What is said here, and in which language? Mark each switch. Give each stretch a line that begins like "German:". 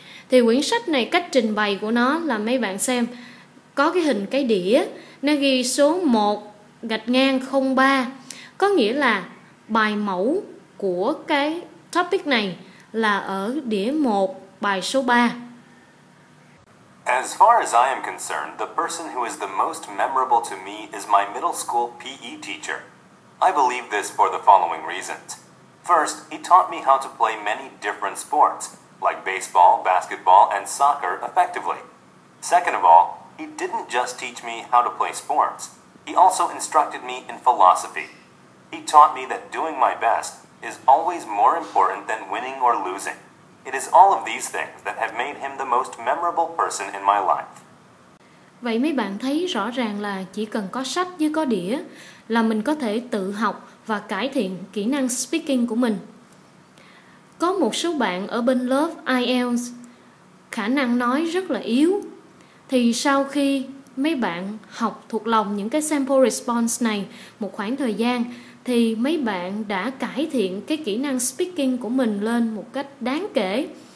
Vietnamese: Thì quyển sách này cách trình bày của nó là mấy bạn xem, có cái hình cái đĩa, nó ghi số 1-03, có nghĩa là bài mẫu của cái topic này là ở đĩa 1, bài số 3.
English: As far as I am concerned, the person who is the most memorable to me is my middle school PE teacher. I believe this for the following reasons. First, he taught me how to play many different sports, like baseball, basketball, and soccer effectively. Second of all, he didn't just teach me how to play sports. He also instructed me in philosophy. He taught me that doing my best is always more important than winning or losing. It is all of these things that have made him the most memorable person in my life.
Vietnamese: Vậy mấy bạn thấy rõ ràng là chỉ cần có sách với có đĩa là mình có thể tự học và cải thiện kỹ năng speaking của mình. Có một số bạn ở bên lớp IELTS khả năng nói rất là yếu. Thì sau khi mấy bạn học thuộc lòng những cái sample response này một khoảng thời gian, thì mấy bạn đã cải thiện cái kỹ năng speaking của mình lên một cách đáng kể.